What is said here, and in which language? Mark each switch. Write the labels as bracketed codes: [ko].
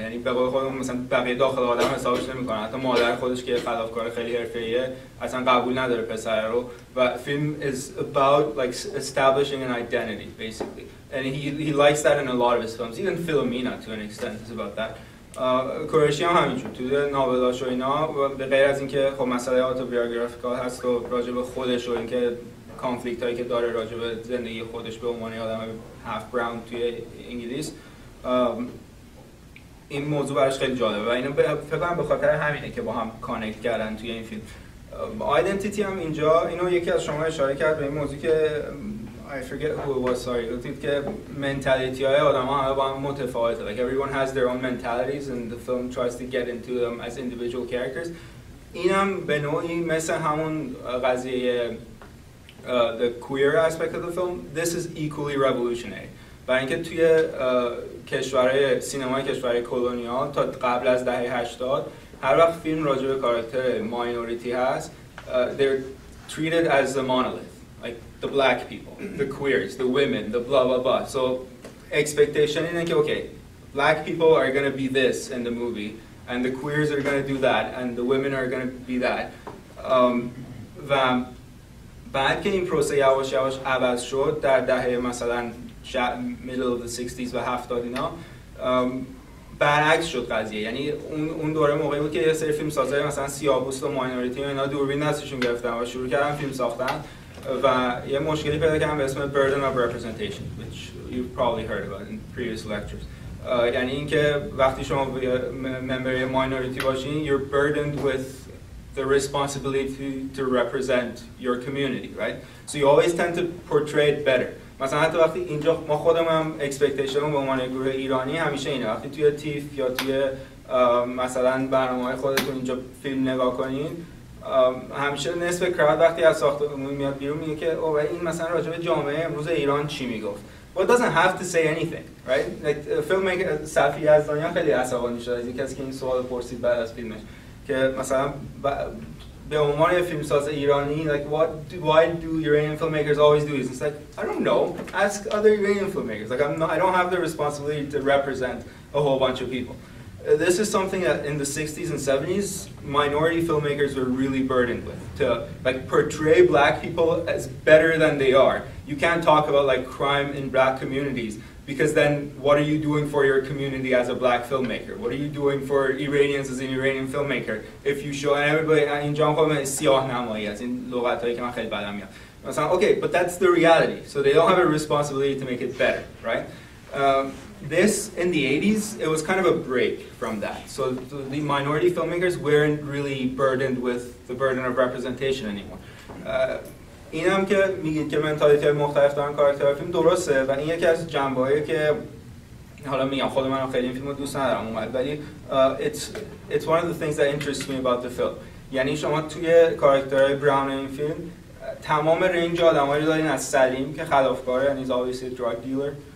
[fa] یعنی به قول خودمون مثلا بقیه داخل آدم حسابش نمیکنه. حتی مادر خودش که خلافکار خیلی حرفه‌ایه اصلا قبول نداره پسر رو. و فیلم [en] is about like establishing an identity basically. And he likes that in a lot of his films. Even Philomena to an extent is about that. [fa] کوریشی هم همینجور توی ناولاش و اینا به غیر از اینکه خب مسئله آتوبیوگرافیکال هست و راجب خودش و اینکه کانفلیکت هایی که داره راجب زندگی خودش به عنوان آدم هاف براون توی انگلیس این موضوع براش خیلی جالبه و اینو فکر کنم به خاطر همینه که با هم کانکت کردن توی این فیلم. آیدنتیتی هم اینجا اینو یکی از شما اشاره کرد به این موضوع که [en] I forget who it was, sorry. [fa] گفتید که منتالیتی های آدم ها با هم متفاوته. [en] Like everyone has their own mentalities and the film tries to get into them as individual characters. [fa] این هم به نوعی مثل همون قضیه [en] the queer aspect of the film. This is equally revolutionary. [fa] برای اینکه توی کشورهای سینمای کشورهای کلونیال تا قبل از دهه 80 هر وقت فیلم راجع به کاراکتر ماینوریتی هست [en] they're treated as the monolith. The black people, the queers, the women, the blah blah blah. So expectation is like, okay, black people are gonna be this in the movie, and the queers are gonna do that, and the women are gonna be that. [fa] And بعد که این پروسه یواش یواش عوض شد در دهه مثلاً [en] middle of the 60s [fa] و 70s اینا برعکس شد قضیه. یعنی اون دوره موقعی بود که یه سری فیلم سازای مثلاً سیاه‌پوست و ماینوریتی اینا دوربین دستشون گرفتن و شروع کردن فیلم ساختن. و یه مشکلی پیدا کردم به اسم [en] burden of representation which you probably heard about in previous lectures. [fa] یعنی اینکه وقتی شما ممبر ماینوریتی باشین [en] you're burdened with the responsibility to represent your community, right? So you always tend to portray it better. [fa] مثلا حتی وقتی اینجا ما خودم هم اکسپکتیشن به عنوان گروه ایرانی همیشه اینه وقتی توی تیف یا توی مثلا برنامه‌های خودتون اینجا فیلم نگاه کنین همیشه نصف کراد وقتی از ساخت عمومی میاد بیرون میگه که اوه این مثلا راجع به جامعه امروز ایران چی میگفت. [en] But it doesn't have to say anything, right? [fa] Like filmmaker صفی یزدانیان خیلی عصبانی شد از اینکه این سوال پرسید بعد از فیلمش که مثلا به عنوان یه فیلمساز ایرانی [en] like why do Iranian filmmakers always do this? It's like I don't know. Ask other Iranian filmmakers. Like I don't have the responsibility to represent a whole bunch of people. This is something that in the 60s and 70s minority filmmakers were really burdened with to like portray black people as better than they are. You can't talk about like crime in black communities because then what are you doing for your community as a black filmmaker? What are you doing for Iranians as an Iranian filmmaker if you show and everybody in John Coleman is [fa] سیاه نمایی از این لغتایی که من خیلی بدم میاد. [en] مثلا okay, but that's the reality. So they don't have a responsibility to make it better, right? This, in the 80s, it was kind of a break from that. So the minority filmmakers weren't really burdened with the burden of representation anymore. [fa] این هم که میگید که منتالیتی های مختلف دارن کارکتر فیلم درسته و این یکی از جنبه هایی که حالا میگم خود من خیلی این فیلم رو دوست ندارم اومد ولی [en] it's one of the things that interests me about the film. [fa] یعنی شما توی کارکتر های براون این فیلم تمام رنج آدم هایی دارین از سلیم که خلافکاره [en] and he's obviously a drug dealer.